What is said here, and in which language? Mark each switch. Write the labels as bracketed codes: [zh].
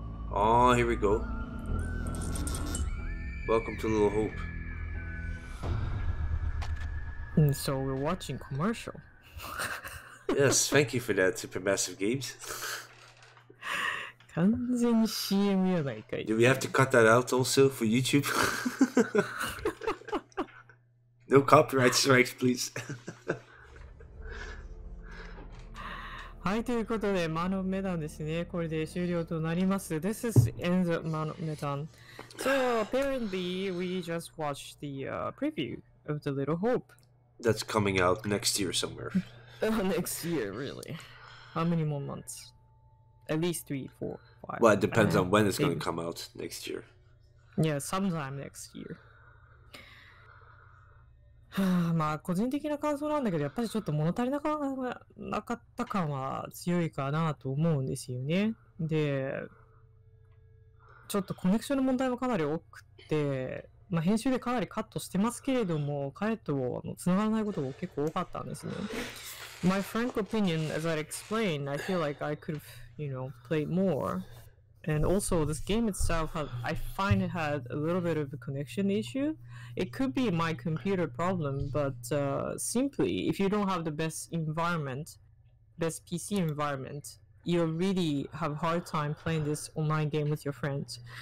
[en] Oh, here we go. Welcome to Little Hope. And so we're watching commercial. Yes, thank you for that, Supermassive Games. [ja] 完全にCMやないかい。 [en] Do we have to cut that out also for YouTube? No copyright strikes, please. [ja] はい、ということで、マノメダンですね。これで終了となります。 [en] This is end of マノメダン. So apparently, we just watched the preview of The Little Hope. That's coming out next year somewhere. next year, really. How many more months? At least 3, 4, 5. Well, it depends on when it's going to come out next year. Yeah, sometime next year. [ja] まあ個人的な感想なんだけど、やっぱりちょっと物足りなかった感は強いかなと思うんですよね。で、ちょっとコネクションの問題もかなり多くて、まあ編集でかなりカットしてますけれども、彼とあの繋がらないことも結構多かったんですね。 [en] My frank opinion, as I explained, I feel like I could have, you know, played more. And also, this game itself, I find it had a little bit of a connection issue. It could be my computer problem, but simply, if you don't have the best environment, best PC environment, you really have a hard time playing this online game with your friends.